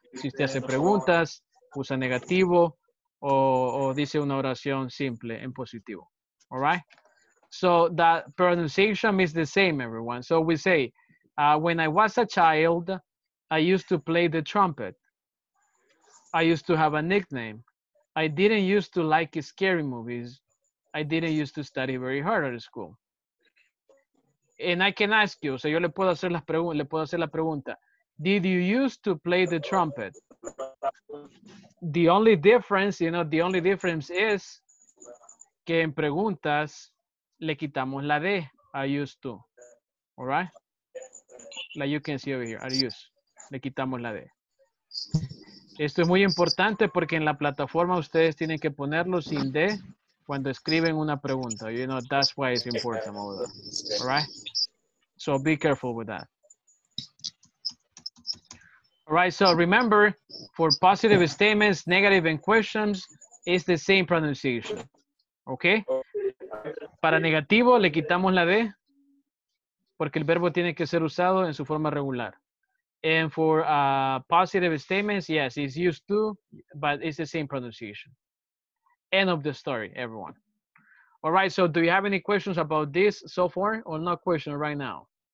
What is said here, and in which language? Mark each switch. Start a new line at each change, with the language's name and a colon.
Spanish: Si usted hace preguntas, usa negativo, o dice una oración simple en positivo, all right?
English: So, that pronunciation is the same, everyone. So we say, when I was a child, I used to play the trumpet. I used to have a nickname. I didn't used to like scary movies. I didn't used to study very hard at school. And I can ask you, so
Spanish: yo le puedo hacer la pregunta.
English: Did you used to play the trumpet? The only difference, you know, the only difference is
Spanish: que en preguntas le quitamos la D,
English: I used to. All right? Like you can see over here, I used.
Spanish: Le quitamos la D. Esto es muy importante porque en la plataforma ustedes tienen que ponerlo sin D cuando escriben una pregunta.
English: You know, that's why it's important. All right? So be careful with that. All right, so remember, for positive statements, negative and questions, it's the same pronunciation. Okay?
Spanish: Para negativo, le quitamos la D porque el verbo tiene que ser usado en su forma regular.
English: And for positive statements, yes, it's used to, but it's the same pronunciation. End of the story, everyone. All right, so do you have any questions about this so far or no question right now?